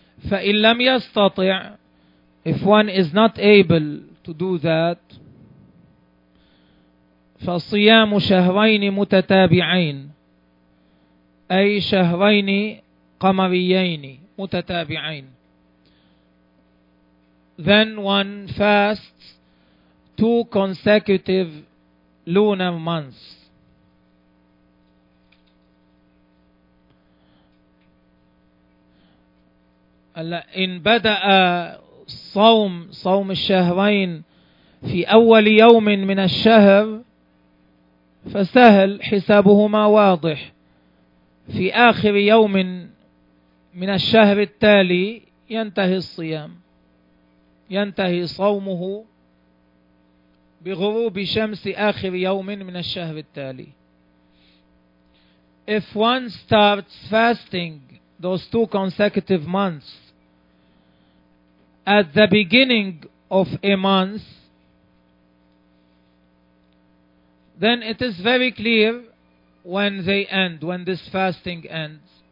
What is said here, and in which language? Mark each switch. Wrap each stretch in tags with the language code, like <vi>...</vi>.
<ar>فإن لم يستطع،</ar> <en>if one is not able to do that،</en> <ar>فصيام شهرين متتابعين، أي شهرين قمريين متتابعين.</ar> <en>Then one fasts two consecutive lunar months.</en> <ar>إن بدأ صوم صوم الشهرين في أول يوم من الشهر فسهل حسابهما واضح، في آخر يوم من الشهر التالي ينتهي الصيام، ينتهي صومه بغروب شمس آخر يوم من الشهر التالي.</ar> <en>If one starts fasting those two consecutive months at the beginning of a month, then it is very clear when they end, when this fasting ends.</en>